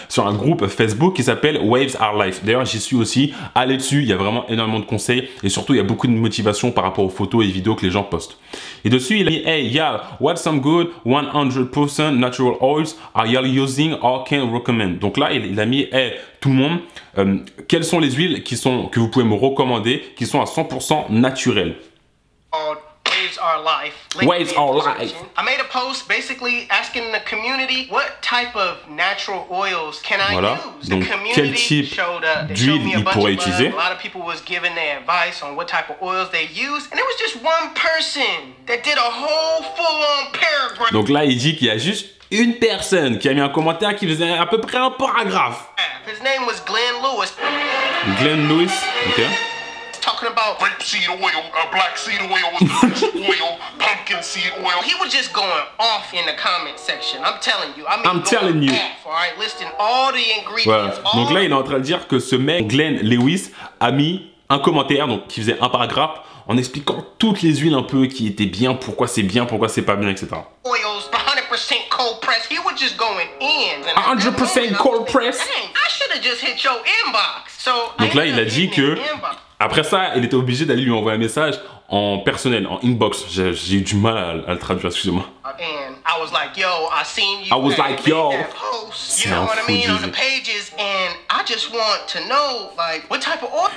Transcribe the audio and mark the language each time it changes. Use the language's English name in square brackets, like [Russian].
[French] Sur un groupe Facebook qui s'appelle Waves Are Life. D'ailleurs, j'y suis aussi, allez dessus, il y a vraiment énormément de conseils et surtout, il y a beaucoup de motivation par rapport aux photos et vidéos que les gens postent. Et dessus, il a mis, [English] hey, y'all, what's some good 100% natural oils are y'all using or can recommend? [French] Donc là, il a mis, hey, tout le monde, quelles sont les huiles que vous pouvez me recommander qui sont à 100% naturelles? [English] Waves Are Life. Waves Are Life. I made a post basically asking the community what type of natural oils can I [French] voilà. [English] Use. [French] Donc, [English] the community showed up. They showed me a bunch of [French] utiliser. [English] A lot of people was giving their advice on what type of oils they use, and it was just one person that did a whole full-on paragraph. [French] Donc là, il dit qu'il y a juste une personne qui a mis un commentaire qui faisait à peu près un paragraphe. [English] His name was Glenn Lewis. Glenn Lewis. Okay. About rapeseed oil, black seed oil, oil, pumpkin seed oil. He was just going off in the comment section. I'm telling you. I'm telling you. Off, all right, listing all the ingredients. Voilà. [French] Donc là, il est en train de dire que ce mec Glenn Lewis a mis un commentaire, donc qui faisait un paragraphe en expliquant toutes les huiles un peu qui étaient bien, pourquoi c'est pas bien, etc. [English] Oils, 100% cold press. He was just going in. 100% cold press. Dang, I should have just hit your inbox. So. [French] Donc là, il a dit que. Après ça, il était obligé d'aller lui envoyer un message en personnel, en inbox. J'ai eu du mal à le traduire, excusez-moi. [English] I was like, yo, I seen you. I was like, yo. You know what I mean? On the pages, and I just want to know, like, what type of oil.